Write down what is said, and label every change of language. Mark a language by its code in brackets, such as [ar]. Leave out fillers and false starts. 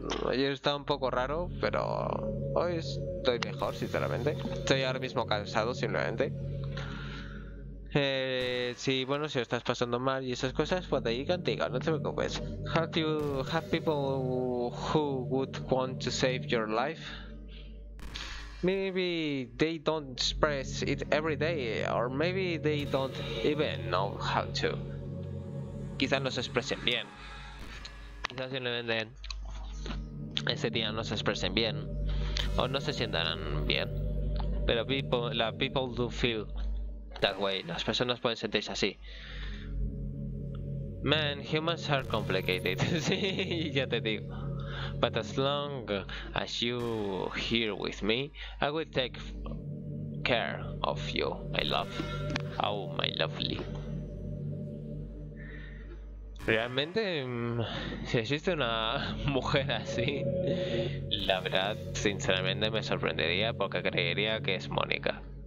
[es] Ayer estaba un poco raro, pero hoy estoy mejor, sinceramente. Estoy ahora mismo cansado, simplemente. Si lo estás pasando mal y esas cosas, pues ahí contigo, no te preocupes. [en] Have people who would want to save your life? Maybe they don't express it every day, or maybe they don't even know how to. [es] Quizás no se expresen bien. Quizás simplemente ese día no se expresen bien. O no se sientan bien. Pero [en] people do feel that way. [es] Las personas pueden sentirse así. [en] Man, humans are complicated. [es] Sí, ya te digo. [en] But as long as you here with me, I will take care of you, my love. Oh, my lovely. [es] Realmente, si existe una mujer así, la verdad, sinceramente, me sorprendería porque creería que es Mónica.